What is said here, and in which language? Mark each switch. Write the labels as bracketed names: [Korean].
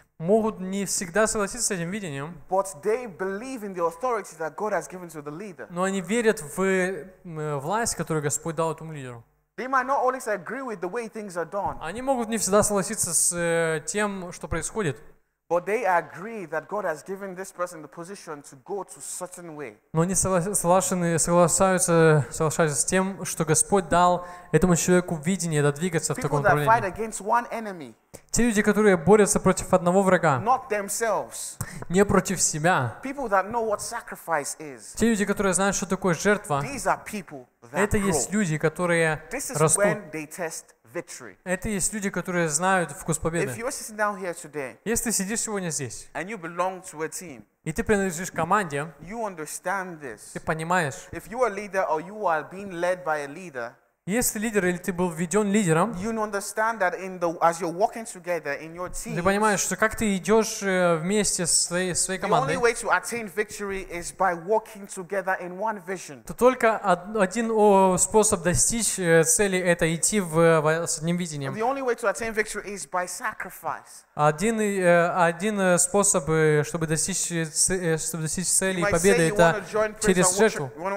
[Russian] могут не всегда согласиться с этим видением, [English] but they believe in the authority that God has given to the leader. [Russian] Но они верят в власть, которую Господь дал этому лидеру. [English] They might not always agree with the way things are done. [Russian] Они могут не всегда согласиться с тем, что происходит. [English] But they agree that God has given this person the position to go to a certain way. [Russian] Но они соглашаются с тем, что Господь дал этому человеку видение двигаться в таком направлении. [English] People that fight against one enemy. [Russian] Те люди, которые борются против одного врага. [English] Not themselves. [Russian] Не против себя. [English] People that know what sacrifice is. [Russian] Те люди, которые знают, что такое жертва. [English] These are people that grow. [Russian] Это есть люди, которые растут. [English] When they test. [Russian] Это есть люди, которые знают вкус победы. [English] If you're sitting down here today, [Russian] если ты сидишь сегодня здесь, [English] and you belong to a team, [Russian] и ты принадлежишь команде, [English] you understand this. [Russian] Ты понимаешь. [English] If you are a leader or you are being led by a leader, [Russian] если лидер или ты был введен лидером, [English] you understand that in the as you're walking together in your team, [Russian] ты понимаешь, что как ты идешь вместе со своей командой. [English] The only way to attain victory is by walking together in one vision. [Russian] То только один способ достичь цели это идти с одним видением. [English] The only way to attain victory is by sacrifice. [Russian] Один способ, чтобы достичь цели и победы, это через жертву.